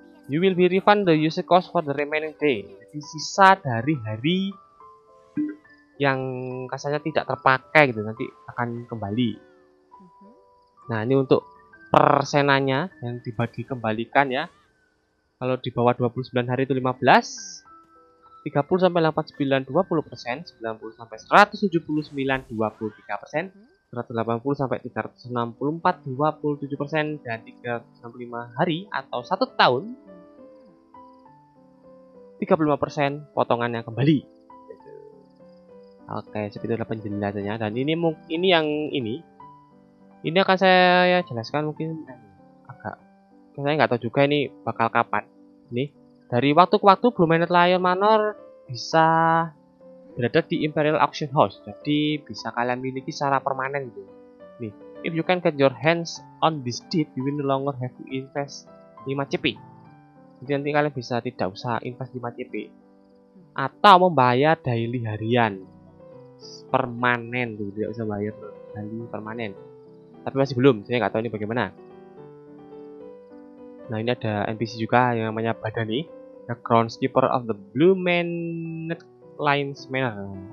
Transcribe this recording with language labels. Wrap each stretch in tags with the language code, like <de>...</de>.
<en>You will be refund the user cost for the remaining day.</en> <id>Jadi sisa dari hari yang kasarnya tidak terpakai gitu nanti akan kembali. Nah, ini untuk persenanya yang dibagi kembalikan ya. Kalau di bawah 29 hari itu 15, 30-89 20%, 90-179 23%, 180-364 27%, dan 365 hari atau 1 tahun 35% potongannya kembali. Oke, seperti itu penjelasannya. Dan ini akan saya jelaskan mungkin agak, saya nggak tahu juga ini bakal kapan. Nih, dari waktu ke waktu Blue Manor Lion Manor bisa berada di Imperial Auction House. Jadi bisa kalian miliki secara permanen gitu.</id> <en>Nih, if you can get your hands on this deed, you will no longer have to invest 5 CP.</en> <id>Jadi nanti kalian bisa tidak usah invest 5 CP. Atau membayar daily harian permanen tuh, tidak usah bayar daily permanen. Tapi masih belum, saya nggak tahu ini bagaimana. Nah, ini ada NPC juga yang namanya Badani,</id> <en>the groundskeeper of the Blue Manor Lion's Manor.</en>